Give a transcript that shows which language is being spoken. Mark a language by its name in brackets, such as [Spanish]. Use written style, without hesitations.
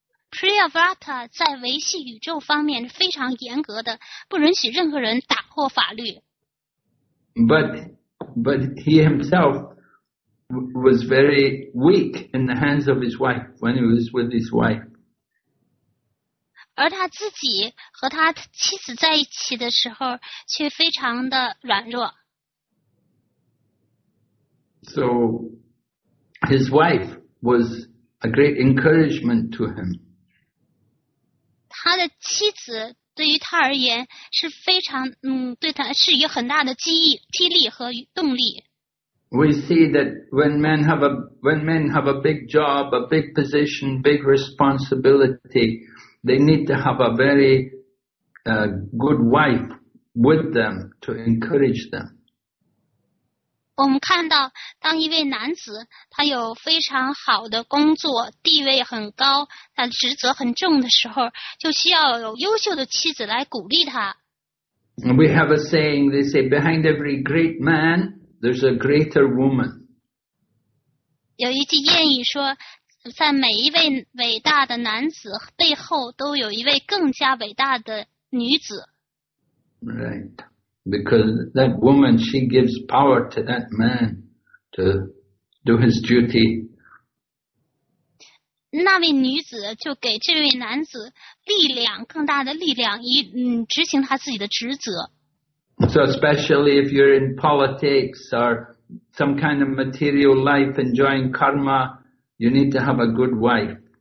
[Chinese] Priyavrata 在维系宇宙方面非常严格的，不允许任何人打破法律。 [English] But he himself was very weak in the hands of his wife when he was with his wife. [Chinese] 而他自己和他妻子在一起的时候却非常的软弱。 [English] So his wife was a great encouragement to him. [Chinese] 他的妻子对于他而言是非常，对他是一个很大的激励和动力。 [English] We see that when men have a big job, a big position, big responsibility, they need to have a very good wife with them to encourage them. [Chinese] 我们看到，当一位男子他有非常好的工作，地位很高，他职责很重的时候，就需要有优秀的妻子来鼓励他。 [English] We have a saying. They say, behind every great man, there's a greater woman. [Chinese] 有一句谚语说，在每一位伟大的男子背后，都有一位更加伟大的女子。 [English] Right. Because that woman, she gives power to that man to do his duty. [Chinese] 那位女子就给这位男子力量，更大的力量，以执行他自己的职责。 [English] So especially if you're in politics or some kind of material life enjoying karma, you need to have a good wife.